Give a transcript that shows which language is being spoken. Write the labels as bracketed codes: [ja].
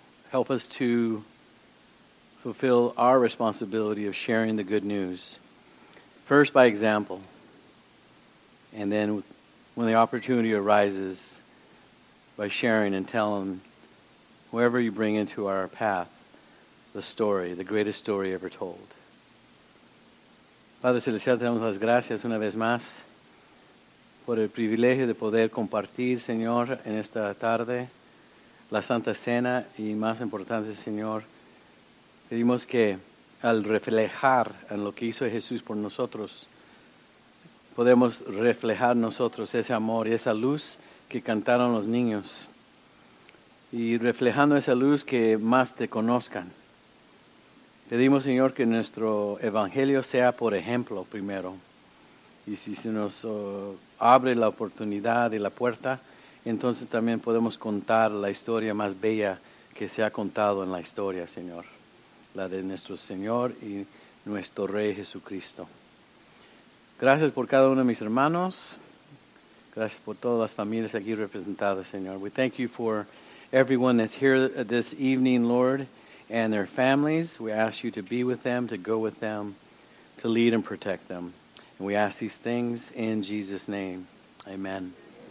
[en] Help us to fulfill our responsibility of sharing the good news, first by example, and then when the opportunity arises, by sharing and telling whoever you bring into our path the story, the greatest story ever told. [es] Padre Celestial, te damos las gracias una vez más por el privilegio de poder compartir, Señor, en esta tarde, la Santa Cena, y más importante, Señor, pedimos que al reflejar en lo que hizo Jesús por nosotros, podemos reflejar nosotros ese amor y esa luz que cantaron los niños. Y reflejando esa luz, que más te conozcan. Pedimos, Señor, que nuestro evangelio sea por ejemplo primero. Y si se nos abre la oportunidad y la puerta, entonces también podemos contar la historia más bella que se ha contado en la historia, Señor, la de nuestro Señor y nuestro Rey Jesucristo. Gracias por cada uno de mis hermanos. Gracias por todas las familias aquí representadas, Señor. [en] We thank you for everyone that's here this evening, Lord, and their families. We ask you to be with them, to go with them, to lead and protect them. And we ask these things in Jesus' name. Amen.